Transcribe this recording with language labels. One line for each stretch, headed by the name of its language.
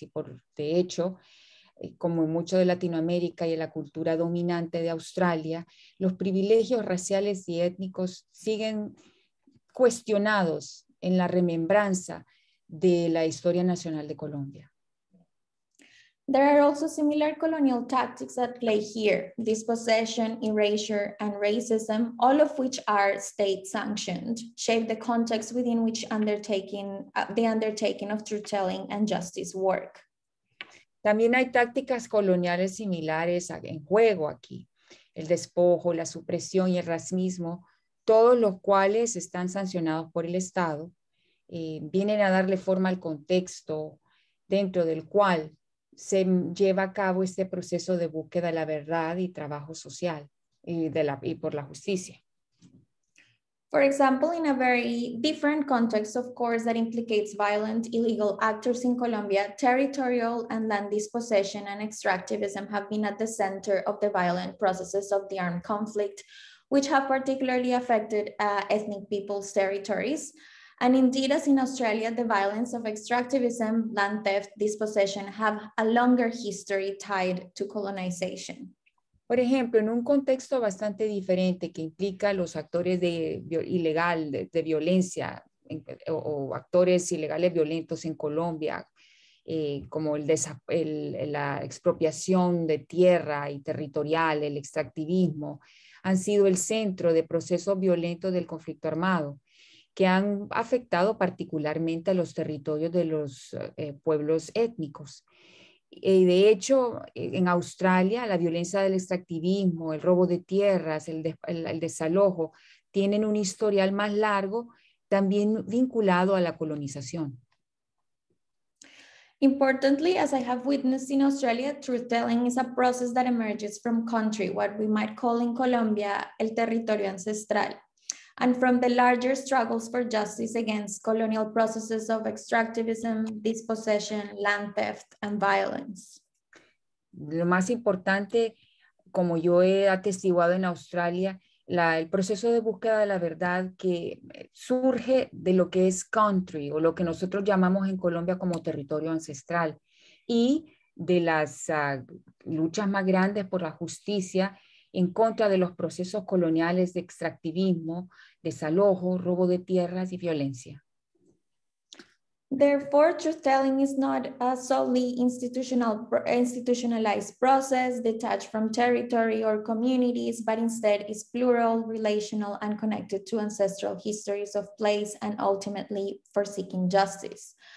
Spanish: Y por de hecho, como en mucho de Latinoamérica y en la cultura dominante de Australia, los privilegios raciales y étnicos siguen cuestionados en la remembranza de la historia nacional de Colombia.
English: There are also similar colonial tactics at play here, dispossession, erasure, and racism, all of which are state-sanctioned, shape the context within which the undertaking of truth-telling and justice work.
Spanish: También hay tácticas coloniales similares en juego aquí, el despojo, la supresión y el racismo, todos los cuales están sancionados por el Estado, vienen a darle forma al contexto dentro del cual se lleva a cabo este proceso de búsqueda de la verdad y trabajo social y por la justicia.
English: For example, in a very different context, of course, that implicates violent illegal actors in Colombia, territorial and land dispossession and extractivism have been at the center of the violent processes of the armed conflict, which have particularly affected ethnic people's territories. And indeed, as in Australia, the violence of extractivism, land theft, dispossession have a longer history tied to colonization.
Spanish: Por ejemplo, en un contexto bastante diferente que implica los actores de ilegal de violencia o actores ilegales violentos en Colombia, como la expropiación de tierra y territorial, el extractivismo, han sido el centro de procesos violentos del conflicto armado, que han afectado particularmente a los territorios de los pueblos étnicos. Y de hecho, en Australia, la violencia del extractivismo, el robo de tierras, el desalojo, tienen un historial más largo, también vinculado a la colonización.
English: Importantly, as I have witnessed in Australia, truth-telling is a process that emerges from country, what we might call in Colombia,
Spanish: el territorio ancestral,
English: and from the larger struggles for justice against colonial processes of extractivism, dispossession, land theft, and violence.
Spanish: Lo más importante, como yo he atestiguado en Australia, el proceso de búsqueda de la verdad que surge de lo que es country, o lo que nosotros llamamos en Colombia como territorio ancestral, y de las luchas más grandes por la justicia en contra de los procesos coloniales de extractivismo, desalojo, robo de tierras y violencia.
English: Therefore, truth-telling is not a solely institutionalized process detached from territory or communities, but instead is plural, relational, and connected to ancestral histories of place and ultimately for seeking justice.